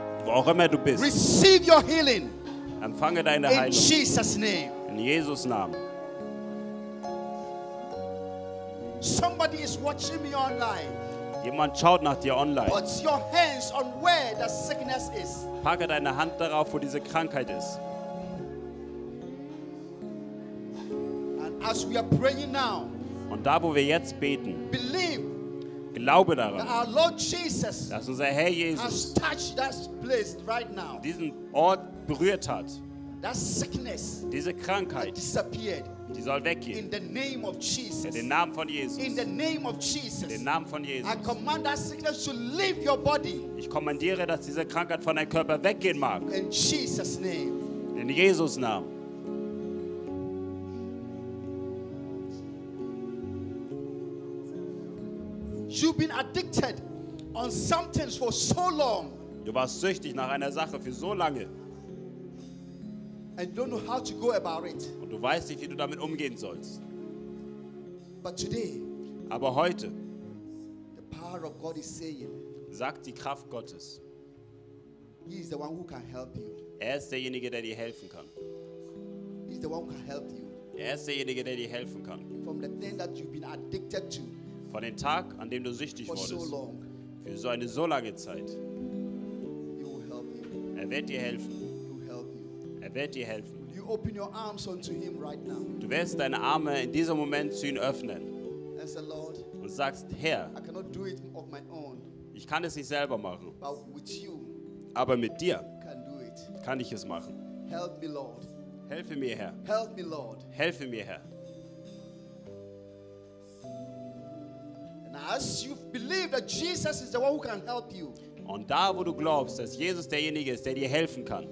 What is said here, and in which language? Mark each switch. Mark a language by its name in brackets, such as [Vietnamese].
[German] Wo auch immer du bist. [English] Receive your healing. [German] Empfange deine [English] in [German] Heilung. [English] In Jesus' name. [German] In Jesus' Namen. [English] Somebody is watching me online. [German] Jemand schaut nach dir online. [English] Put your hands on where the sickness is. [German] Packe deine Hand darauf, wo diese Krankheit ist. [English] And as we are praying now. [German] Und da, wo wir jetzt beten, [English] believe, [German] glaube daran, [English] that our Lord Jesus, [German] dass unser Herr Jesus [English] has touched that place right now, [German] diesen Ort berührt hat. [English] That sickness, [German] diese Krankheit, [English] that disappeared, [German] die soll weggehen. [English] In the name of Jesus, [German] in den Namen von Jesus. [English] In the name of Jesus, [German] in den Namen von Jesus. [English] I command that sickness to leave your body. [German] Ich kommandiere, dass diese Krankheit von deinem Körper weggehen mag. [English] In Jesus' name. [German] In Jesus' Namen. [English] You've been addicted on something for so long. [German] Du warst süchtig nach einer Sache für so lange. [English] And don't know how to go about it. [German] Und du weißt nicht, wie du damit umgehen sollst. [English] But today, [German] aber heute, [English] the power of God is saying, [German] sagt die Kraft Gottes, [English] he is the one who can help you. [German] Er ist derjenige, der dir helfen kann. [English] He is the one who can help you. [German] Er ist derjenige, der dir helfen kann. [English] From the thing that you've been addicted to. [German] Von dem Tag, an dem du süchtig [English] for [German] wurdest, [English] so [German] für so eine so lange Zeit, er wird dir helfen. Er wird dir helfen. [English] You open your arms unto him right now. [German] Du wirst deine Arme in diesem Moment zu ihm öffnen [English] Lord, [German] und sagst, Herr, [English] I cannot do it of my own, [German] ich kann es nicht selber machen, [English] but with you, [German] aber mit dir [English] can do it. [German] Kann ich es machen. [English] Help me, Lord. [German] Helfe mir, Herr. [English] Help me, Lord. [German] Helfe mir, Herr. [English] As you believe that Jesus is the one who can help you. [German] Und da, wo du glaubst, dass Jesus derjenige ist, der dir helfen kann.